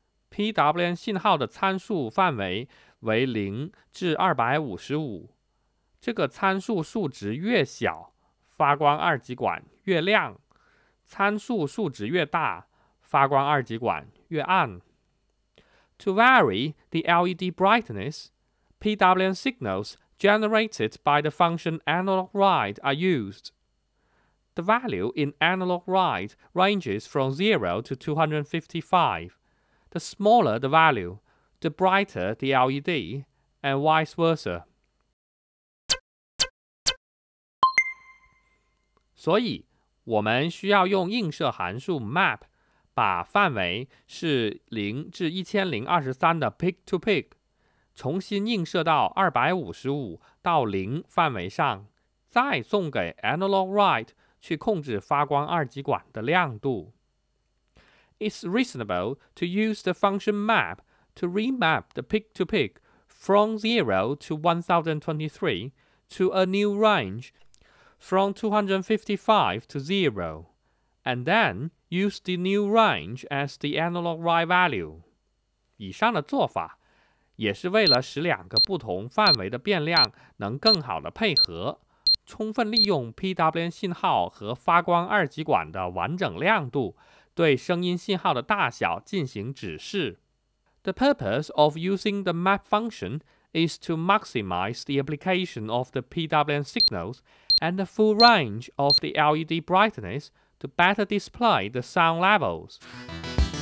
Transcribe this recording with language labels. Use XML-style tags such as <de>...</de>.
<zh>PWM 信号的参数范围为0至255，这个参数数值越小，发光二极管越亮；参数数值越大，发光二极管越暗。</zh> <en>To vary the LED brightness, PWM signals generated by the function analog write are used. The value in analog write ranges from 0 to 255. The smaller the value,the brighter the LED, and vice versa.</en> <zh>所以我们需要用映射函数 map 把范围是0至1023的 peak to peak 重新映射到255到0范围上，再送给 analog write 去控制发光二极管的亮度。</zh> <en>It's reasonable to use the function mapto remap the peak-to-peak from 0 to 1023 to a new range from 255 to 0, and then use the new range as the analog write value.</en> <zh>以上的做法也是为了使两个不同范围的变量能更好的配合，充分利用 PWM 信号和发光二极管的完整亮度对声音信号的大小进行指示。</zh> <en>The purpose of using the map function is to maximize the application of the PWM signals and the full range of the LED brightness to better display the sound levels.</en>